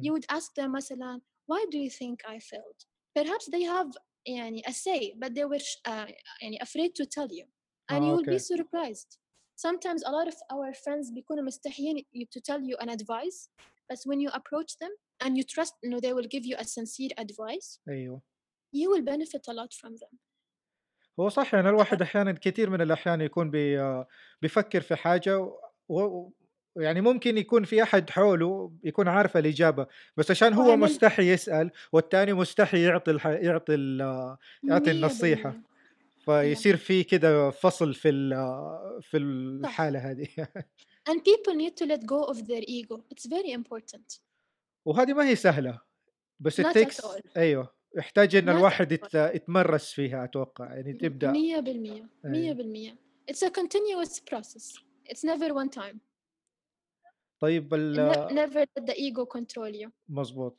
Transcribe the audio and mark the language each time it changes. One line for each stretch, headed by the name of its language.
English: You would ask them,
Arabic: مثلاً,
English: why do you think I failed? Perhaps they have يعني, a say, but they were يعني, afraid to tell you. And you will be surprised. Sometimes a lot of our friends become
Arabic: مستحيين
English: to tell you an advice, but when you approach them and you trust, you know, they will give you a sincere advice, you will benefit a lot from them.
Arabic: هو صح, يعني الواحد احيانا كثير من الاحيان يكون بيفكر في حاجه ويعني ممكن يكون في احد حوله يكون عارف الاجابه, بس عشان هو مستحي يسال والتاني مستحي يعطي النصيحه, فيصير في كده فصل في الحاله هذه.
English: And people need to let go of their ego. It's very important.
Arabic: وهذه ما هي سهله, بس
English: it takes,
Arabic: ايوه, يحتاج إن الواحد يتمرس فيها أتوقع, يعني تبدأ
English: 100% 100%. It's a continuous process. It's never one time.
Arabic: طيب
English: never let the ego control you.
Arabic: مظبوط.